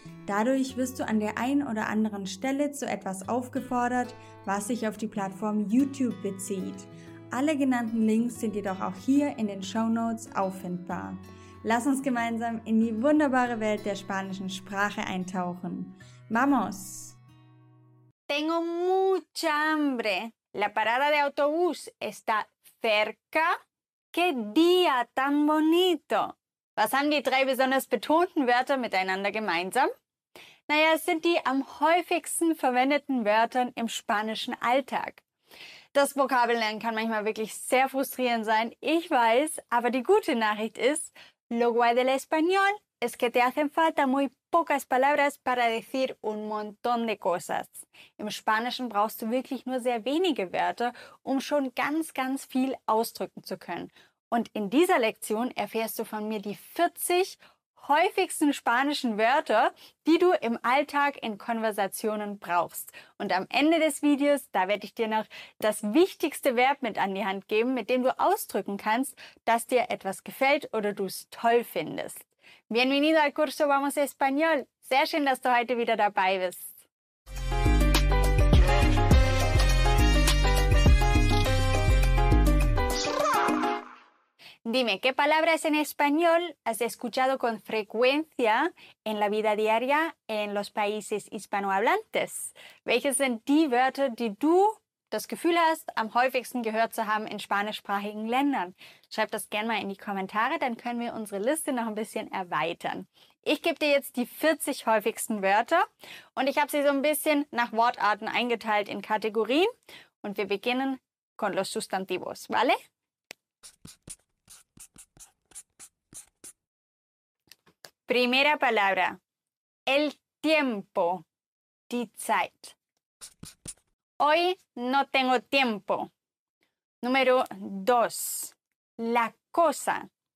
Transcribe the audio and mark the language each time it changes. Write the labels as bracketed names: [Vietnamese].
[German] Dadurch wirst du an der einen oder anderen Stelle zu etwas aufgefordert, was sich auf die Plattform YouTube bezieht. Alle genannten Links sind jedoch auch hier in den Shownotes auffindbar. Lass uns gemeinsam in die wunderbare Welt der spanischen Sprache eintauchen. [Spanish] ¡Vamos! Tengo mucha hambre. La parada de autobús está cerca. ¡Qué día tan bonito! [German] Was haben die drei besonders betonten Wörter miteinander gemeinsam? Naja, es sind die am häufigsten verwendeten Wörter im spanischen Alltag. Das Vokabellernen kann manchmal wirklich sehr frustrierend sein, ich weiß, aber die gute Nachricht ist, [Spanish] lo guay del español es que te hacen falta muy pocas palabras para decir un montón de cosas. [German] Im Spanischen brauchst du wirklich nur sehr wenige Wörter, um schon ganz, ganz viel ausdrücken zu können. Und in dieser Lektion erfährst du von mir die 40 häufigsten spanischen Wörter, die du im Alltag in Konversationen brauchst. Und am Ende des Videos, da werde ich dir noch das wichtigste Verb mit an die Hand geben, mit dem du ausdrücken kannst, dass dir etwas gefällt oder du es toll findest. [Spanish] Bienvenido al curso Vamos Español. [German] Sehr schön, dass du heute wieder dabei bist. [Spanish] Dime, ¿qué palabras en español has escuchado con frecuencia en la vida diaria en los países hispanohablantes? [German] Welche sind die Wörter, die du das Gefühl hast, am häufigsten gehört zu haben in spanischsprachigen Ländern? Schreib das gerne mal in die Kommentare, dann können wir unsere Liste noch ein bisschen erweitern. Ich gebe dir jetzt die 40 häufigsten Wörter und ich habe sie so ein bisschen nach Wortarten eingeteilt in Kategorien. Und wir beginnen [Spanish] con los sustantivos, ¿vale? Primera palabra, el tiempo, [German] die Zeit. [Spanish] Hoy no tengo tiempo. Número dos, la cosa.